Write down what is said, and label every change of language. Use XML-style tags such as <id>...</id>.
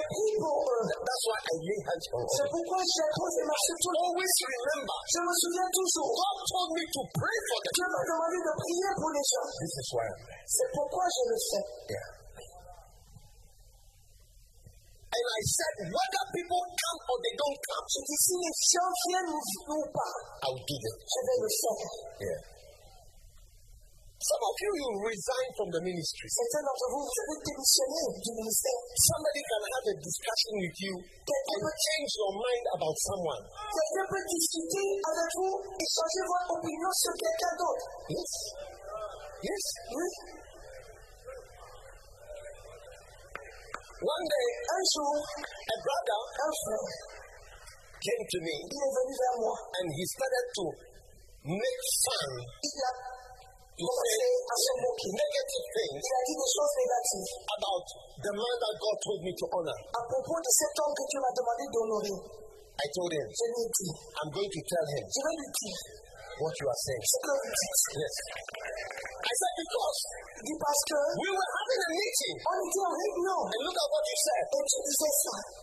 <en>That's why I lay hands on them. Always remember, God told me to pray for them. This is why I'm there.</en> <fr>C'est pourquoi je le fais.</fr> <en>Yeah. And I said, whether people come or they don't come,</en> <fr>je dis, si les gens viennent ou pas,</fr> <en>I'll do that.</en> <fr>Je vais le faire.</fr> <en>Yeah. Some of you resign from the ministry.</en> <fr>Certains d'entre vous, vous avez démissionné du ministère.</fr> <en>Somebody can have a discussion with you and change your mind about someone.</en> <fr>Quelqu'un peut discuter avec vous et changer votre opinion sur quelqu'un d'autre.</fr> <en>Yes. Yes.</en> <fr>Oui.</fr> <en>One day,</en> <fr>un jour,</fr> <en>a brother</en> <fr>un jour,</fr> <en>came to me.</en> <fr>Il est venu vers moi,</fr> <en>and he started to make fun.</en> <fr>Il a commencé à se moquer.</fr> <en>Negative things.</en> <fr>Il a dit des choses négatives</fr> <en>about the man that God told me to honor.</en> <fr>À propos de cet homme que Dieu m'a demandé d'honorer.</fr> <en>I told him.</en> <fr>Je lui ai dit.</fr> <en>I'm going to tell him.</en> <fr>Je vais lui dire.</fr> <en>What you are saying.</en> <fr>Ce que vous dites.</fr> <en>Yes. I said, because.</en> <fr>Dit parce que.</fr> <en>We were having a meeting.</en> <fr>On était en réunion.</fr> <en>And look at what you said.</en> <fr>Et tu disais ça.</fr>